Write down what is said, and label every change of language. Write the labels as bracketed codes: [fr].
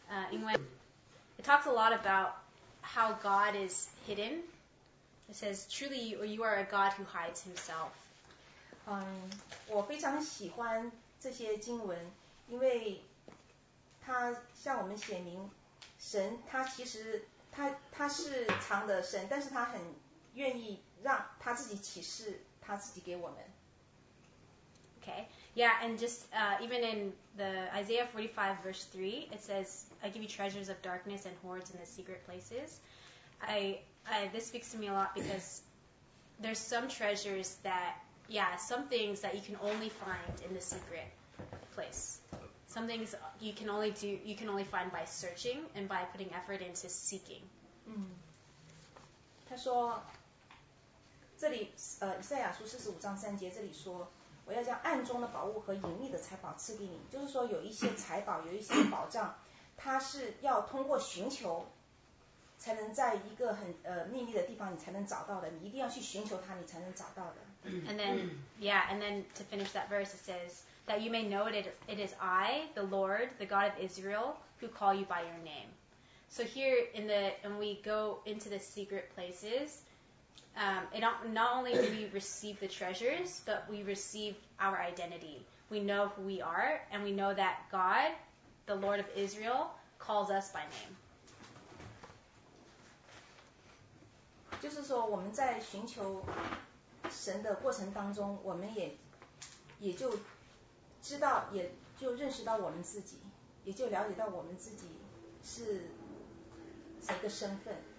[en] Anyway, it talks a lot about how God is hidden. It says, truly, you are a God who hides himself. [zh] 我非常喜欢这些经文，因为它向我们显明神，他其实他是藏的神，但是他很愿意让他自己启示他自己给我们。 [en] Okay, yeah, and just even in the Isaiah 45:3, it says, I give you treasures of darkness and hoards in the secret places. This speaks to me a lot because there's some treasures that, yeah, some things that you can only find in the secret place. Some things you can only find by searching and by putting effort into seeking. [zh] 他说，这里，以赛亚书45:3，这里说，我要将暗中的宝物和隐秘的财宝赐给你，就是说有一些财宝，有一些宝藏，它是要通过寻求，才能在一个很秘密的地方，你才能找到的。你一定要去寻求它，你才能找到的。 [en] And then, yeah, and then to finish that verse, it says, that you may know it is I, the Lord, the God of Israel, who call you by your name. So here in the, when we go into the secret places, not only do we receive the treasures, but we receive our identity. We know who we are, and we know that God, the Lord of Israel, calls us by name. [zh] 就是说我们在寻求神的过程当中，我们也就知道，也就认识到我们自己，也就了解到我们自己是谁的身份。